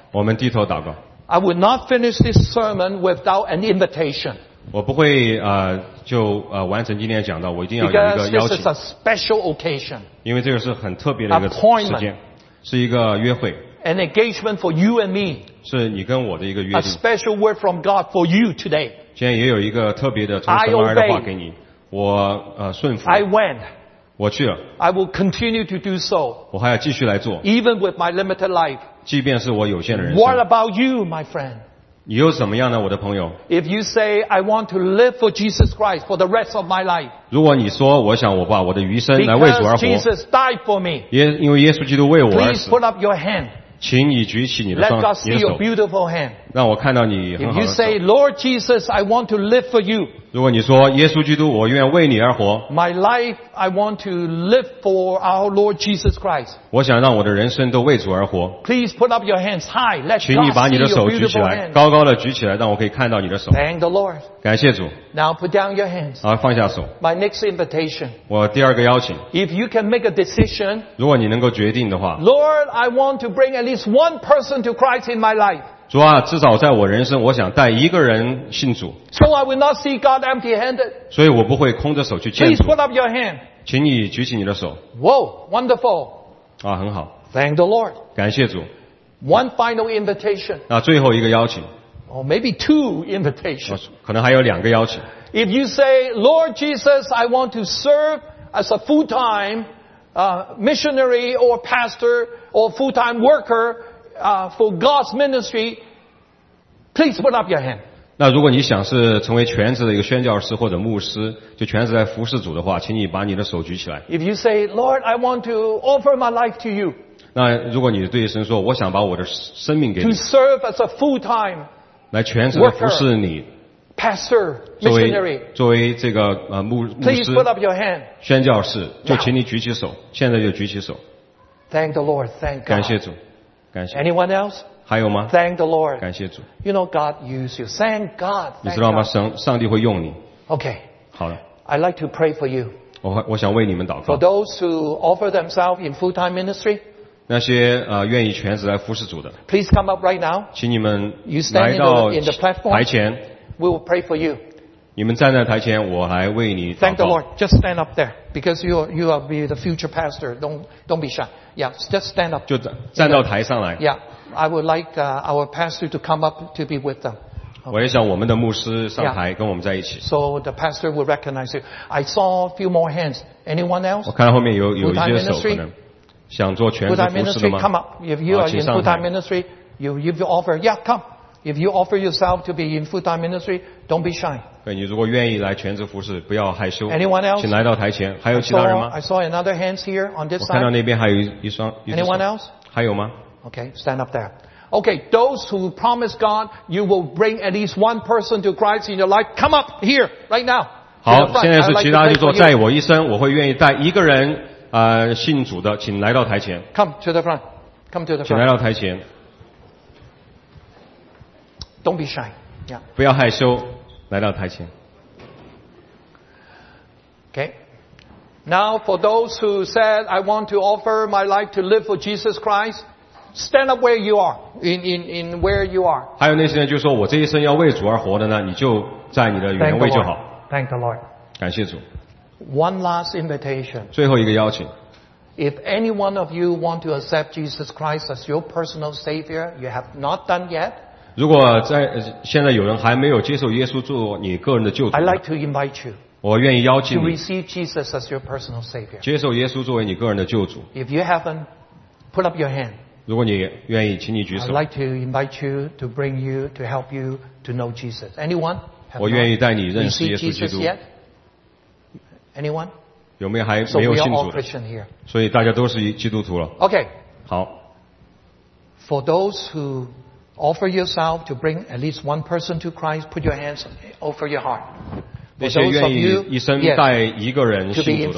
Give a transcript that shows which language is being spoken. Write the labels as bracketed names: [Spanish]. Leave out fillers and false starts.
[Chinese] 我们低头祷告。 [English] I will not finish this sermon without an invitation. [Chinese] 我不会完成今天讲到，我一定要有一个邀请。 [English] This is a special occasion, [Chinese] 因为这个是很特别的一个时间，是一个约会。 [English] An engagement for you and me, [Chinese] 是你跟我的一个约定。 [English] A special word from God for you today. [Chinese] 今天也有一个特别的从神而来的话给你。我顺服。 [English] I went. [Chinese] 我去了。 [English] I will continue to do so. [Chinese] 我还要继续来做。 [English] Even with my limited life. [Chinese] 即便是我有限的人生。 [English] What about you, my friend? [Chinese] 你又怎么样呢，我的朋友？ [English] If you say I want to live for Jesus Christ for the rest of my life， [Chinese] 如果你说我想我把我的余生来为主而活， [English] Because Jesus died for me， [Chinese] 因为耶稣基督为我而死， [English] Please put up your hand， [Chinese] 请你举起你的双 [English] Let God see your beautiful hand， [Chinese] 让我看到你很好的手。 [English] If you say Lord Jesus I want to live for you， [Chinese] 如果你说耶稣基督我愿为你而活， [English] My life I want to live for our Lord Jesus Christ， [Chinese] 我想让我的人生都为主而活。 [English] Please put up your hands high， Let God see your beautiful hand， [Chinese] 高高的举起来，让我可以看到你的手。 [English] Thank the Lord， [Chinese] 感谢主。 [English] Now put down your hands， [Chinese] 好，放下手。 [English] My next invitation， [Chinese] 我第二个邀请。 [English] If you can make a decision， [Chinese] 如果你能够决定的话， [English] Lord I want to bring at least one person to Christ in my life， [Chinese] 主啊，至少在我人生，我想带一个人信主。 [English] So I will not see God empty-handed。 [Chinese] 所以我不会空着手去见主。 [English] Please put up your hand。 [Chinese] 请你举起你的手。 [English] Whoa, wonderful。 [Chinese] 啊，很好。 [English] Thank the Lord。 [Chinese] 感谢主。 [English] One final invitation。 [Chinese] 那最后一个邀请。 [English] Oh, maybe two invitations。 [Chinese] 可能还有两个邀请。 [English] If you say, Lord Jesus, I want to serve as a full-time missionary or pastor or full-time worker。 For God's ministry, please put up your hand. [Chinese] 那如果你想是成为全职的一个宣教师或者牧师，就全职来服侍主的话，请你把你的手举起来。 [English] If you say, Lord, I want to offer my life to you. [Chinese] 那如果你对神说，我想把我的生命给你。 [English] To serve as a full-time worker, [Chinese] 来全职来服侍你。 [English] Pastor, missionary. [Chinese] 作为这个牧师。 [English] Please put up your hand. [Chinese] 宣教士，就请你举起手。 [English] Now. [Chinese] 现在就举起手。 [English] Thank the Lord. Thank God. [Chinese] 感谢主。 [English] Anyone else? [Chinese] 还有吗？ [English] Thank the Lord. [Chinese] 感谢主。 [English] You know God use you. Thank God. Thank [Chinese] 你知道吗？上帝会用你。 [English] Okay. [Chinese] 好了。 [English] I'd like to pray for you. [Chinese] 我想为你们祷告。 [English] For those who offer themselves in full-time ministry. [Chinese] 那些愿意全职来服侍主的。 [English] Please come up right now. [Chinese] 请你们来到。 [English] You stand in the platform. [Chinese] 台前。 [English] We will pray for you. [Chinese] 你们站在台前，我来为你祷告。 [English] Thank the Lord. Just stand up there because you will be the future pastor. Don't be shy. Yeah, just stand up. [Chinese] 就站到台上来。 [English] Yeah, I would like our pastor to come up to be with them. [Chinese] 我也想我们的牧师上台跟我们在一起。 [English] So the pastor will recognize you. I saw a few more hands. Anyone else? [Chinese] 我看后面有一些手可能想做全职服侍的吗？ [English] Full-time ministry, come up. If you are in full-time ministry, you offer. Yeah, come. If you offer yourself to be in full-time ministry, don't be shy. [Chinese] 对，你如果愿意来全职服侍，不要害羞。 [English] Anyone else? [Chinese] 请来到台前。还有其他人吗？ [English] I saw another hands here on this side. [Chinese] 我看到那边还有一双。 [English] Anyone else? [Chinese] 还有吗？ [English] Okay, stand up there. Okay, those who promise God you will bring at least one person to Christ in your life, come up here right now. [Chinese] 好，现在是其他就说，在我一生，我会愿意带一个人信主的，请来到台前。 [English] Come to the front. Come to the front. [Chinese] 请来到台前。 [English] Don't be shy. Yeah. [Chinese] 不要害羞。来到台前。 [English] Okay. Now for those who said I want to offer my life to live for Jesus Christ, stand up where you are. In where you are. [Chinese] 还有那些人就说我这一生要为主而活的呢，你就在你的原位就好。 [English] Thank the Lord. [Chinese] 感谢主。 [English] One last invitation. [Chinese] 最后一个邀请。 [English] If any one of you want to accept Jesus Christ as your personal Savior, you have not done yet. [Chinese] 如果在现在有人还没有接受耶稣做你个人的救主， [English] I'd like to invite you， [Chinese] 我愿意邀请你 [English] to receive Jesus as your personal Savior， [Chinese] 接受耶稣作为你个人的救主。 [English] If you haven't, put up your hand。 [Chinese] 如果你愿意，请你举手。 [English] I'd like to invite you to bring you to help you to know Jesus. Anyone? [Chinese] 我愿意带你认识耶稣基督。 [English] Anyone? [Chinese] 有没有还没有信主的？所以大家都是基督徒了。 [English] Okay. [Chinese] 好。 [English] For those who offer yourself to bring at least one person to Christ, put your hands over your heart. [Chinese] 那些愿意一生带一个人信主的话